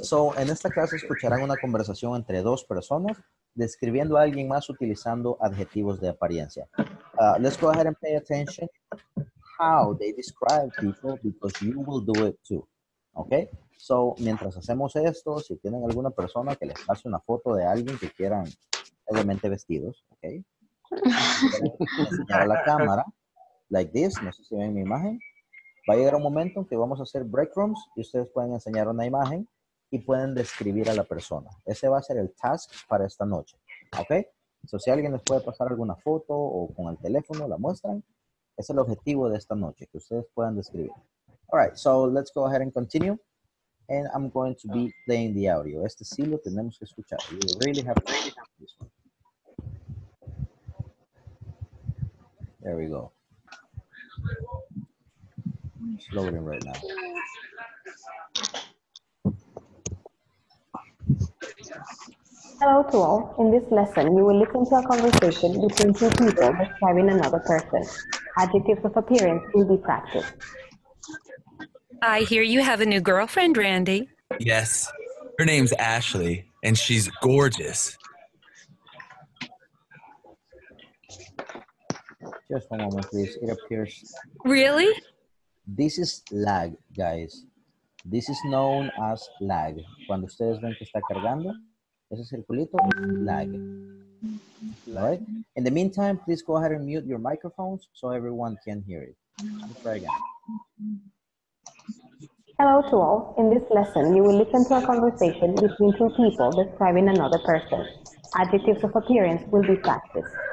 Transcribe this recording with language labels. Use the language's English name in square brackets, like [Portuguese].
[Spanish] So, en esta clase escucharán una conversación entre dos personas describiendo a alguien más utilizando adjetivos de apariencia. [English] Let's go ahead and pay attention how they describe people because you will do it too. Okay? [Spanish] So, mientras hacemos esto, si tienen alguna persona que les pase una foto de alguien que quieran levemente vestidos, okay? Enseñar a la cámara. [English] Like this. [Spanish] No sé si ven mi imagen. Va a llegar un momento en que vamos a hacer break rooms y ustedes pueden enseñar una imagen y pueden describir a la persona. Ese va a ser el task para esta noche. ¿Ok? So, si alguien les puede pasar alguna foto o con el teléfono, la muestran. Es el objetivo de esta noche, que ustedes puedan describir. [English] All right, so let's go ahead and continue. And I'm going to be playing the audio. [Spanish] Este sí lo tenemos que escuchar. [English] You really have to have this one. There we go. loading right now. Hello to all. In this lesson, you will listen to a conversation between two people describing another person. Adjectives of appearance will be practiced. I hear you have a new girlfriend, Randy. Yes. Her name's Ashley, and she's gorgeous. Just one moment, please. It appears... Really? This is lag, guys. This is known as lag. [Spanish] Cuando ustedes ven que está cargando, ese circulito, lag. [English] All right? In the meantime, please go ahead and mute your microphones so everyone can hear it. Let's try again. Hello to all. In this lesson, you will listen to a conversation between two people describing another person. Adjectives of appearance will be practiced.